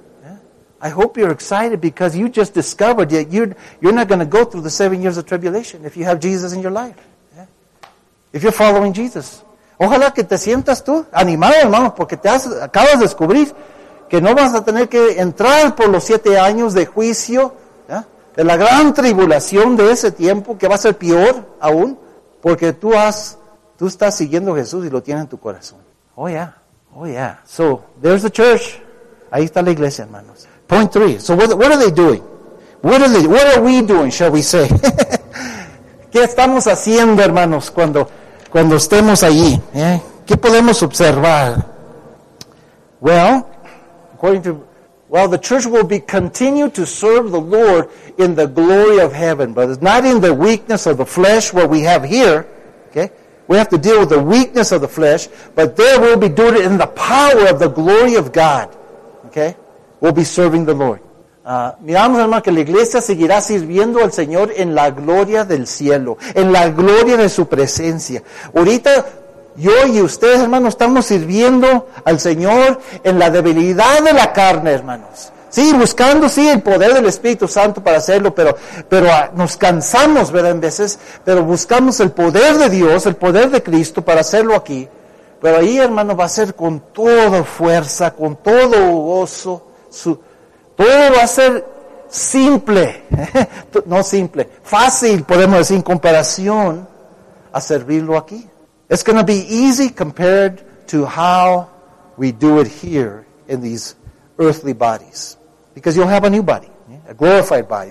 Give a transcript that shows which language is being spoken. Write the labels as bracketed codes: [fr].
[en] Yeah? I hope you're excited because you just discovered that you're not going to go through the 7 years of tribulation if you have Jesus in your life. Yeah? If you're following Jesus. [es] Ojalá que te sientas tú animado, hermano, porque acabas de descubrir que no vas a tener que entrar por los 7 años de juicio, yeah? De la gran tribulación de ese tiempo, que va a ser peor aún, porque tú estás siguiendo a Jesús y lo tienes en tu corazón. [en] Oh, yeah. Oh, yeah. So, there's the church. [es] Ahí está la iglesia, hermanos. [en] Point three. So, what are they doing? What are we doing, shall we say? [es] ¿Qué estamos haciendo, hermanos, cuando estemos allí? ¿Eh? ¿Qué podemos observar? [en] Well, the church will be continue to serve the Lord in the glory of heaven, brothers. Not in the weakness of the flesh, what we have here. Okay? We have to deal with the weakness of the flesh, but there we'll be doing it in the power of the glory of God. Okay? We'll be serving the Lord. [es] Miramos, hermano, que la iglesia seguirá sirviendo al Señor en la gloria del cielo, en la gloria de su presencia. Ahorita, yo y ustedes, hermanos, estamos sirviendo al Señor en la debilidad de la carne, hermanos. Sí, buscando, sí, el poder del Espíritu Santo para hacerlo, pero nos cansamos, ¿verdad?, en veces, pero buscamos el poder de Dios, el poder de Cristo para hacerlo aquí. Pero ahí, hermano, va a ser con toda fuerza, con todo gozo, todo va a ser simple, no simple, fácil, podemos decir, en comparación a servirlo aquí. [en] It's going to be easy compared to how we do it here in these earthly bodies, because you'll have a new body, a glorified body.